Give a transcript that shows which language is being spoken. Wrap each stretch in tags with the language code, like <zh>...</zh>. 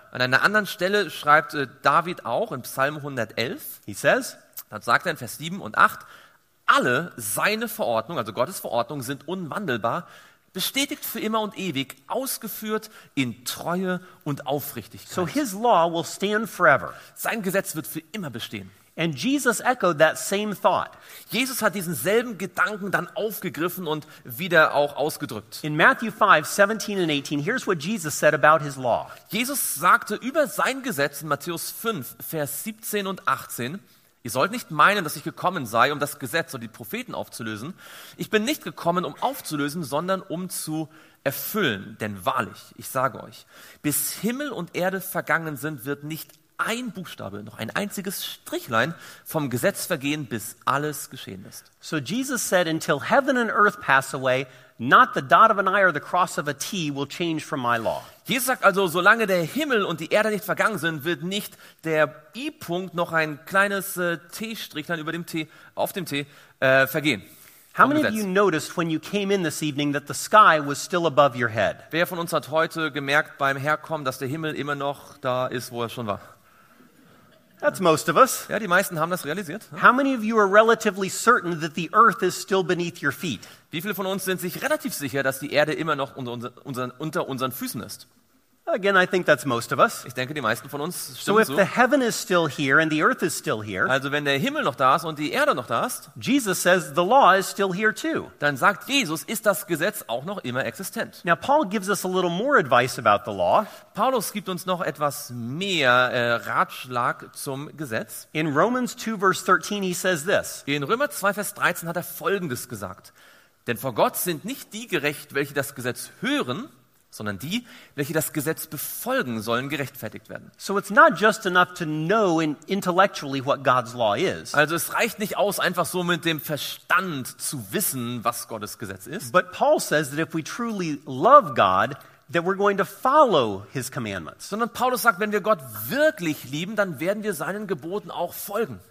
<de>An einer anderen Stelle schreibt David auch in Psalm 111.</de> <en>He says,</en> <de>dann sagt er in Vers 7 und 8, alle seine Verordnungen, also Gottes Verordnungen, sind unwandelbar, bestätigt für immer und ewig, ausgeführt in Treue und Aufrichtigkeit.</de> <en>So his law will stand forever.</en> <de>Sein Gesetz wird für immer bestehen.</de> <en>And Jesus echoed that same thought.</en> <de>Jesus hat diesen selben Gedanken dann aufgegriffen und wieder auch ausgedrückt.</de> <en>In Matthew 5, 17 and 18, here's what Jesus said about his law.</en> <de>Jesus sagte über sein Gesetz in Matthäus 5, Vers 17 und 18, ihr sollt nicht meinen, dass ich gekommen sei, um das Gesetz oder die Propheten aufzulösen. Ich bin nicht gekommen, um aufzulösen, sondern um zu erfüllen. Denn wahrlich, ich sage euch, bis Himmel und Erde vergangen sind, wird nicht ein Buchstabe, noch ein einziges Strichlein vom Gesetz vergehen, bis alles geschehen ist.</de> <en>So Jesus said, until heaven and earth pass away, not the dot of an I or the cross of a T will change from my law.</en> <de>Jesus sagt also, solange der Himmel und die Erde nicht vergangen sind, wird nicht der I-Punkt, noch ein kleines T-Strichlein über dem T, auf dem T, vergehen.</de> <en>How many of you noticed when you came in this evening that the sky was still above your head?</en> <de>Wer von uns hat heute gemerkt beim Herkommen, dass der Himmel immer noch da ist, wo er schon war?</de> <en>That's most of us.</en> <de>Ja, die meisten haben das realisiert.</de> <en>How many of you are relatively certain that the earth is still beneath your feet?</en> <de>Wie viele von uns sind sich relativ sicher, dass die Erde immer noch unter unseren Füßen ist?</de> <en>Again, I think that's most of us.</en> <de>Ich denke, die meisten von uns stimmen</de> <en>So if the heaven is still here and the earth is still here.</en> <de>Also wenn der Himmel noch da ist und die Erde noch da ist.</de> <en>Jesus says the law is still here too.</en> <de>Dann sagt Jesus, ist das Gesetz auch noch immer existent.</de> <en>Now Paul gives us a little more advice about the law.</en> <de>Paulus gibt uns noch etwas mehr Ratschlag zum Gesetz.</de> <en>In Romans 2 verse 13 he says this.</en> <de>In Römer 2 Vers 13 hat er Folgendes gesagt. Denn vor Gott sind nicht die gerecht, welche das Gesetz hören, sondern die, welche das Gesetz befolgen sollen, gerechtfertigt werden.</de> <en>So it's not just enough to know intellectually what God's law is.</en> <de>Also es reicht nicht aus, einfach so mit dem Verstand zu wissen, was Gottes Gesetz ist.</de> <en>But Paul says that if we truly love God, that we're going to follow his commandments.</en> <de>Sondern Paulus sagt, wenn wir Gott wirklich lieben, dann werden wir seinen Geboten auch folgen.</de>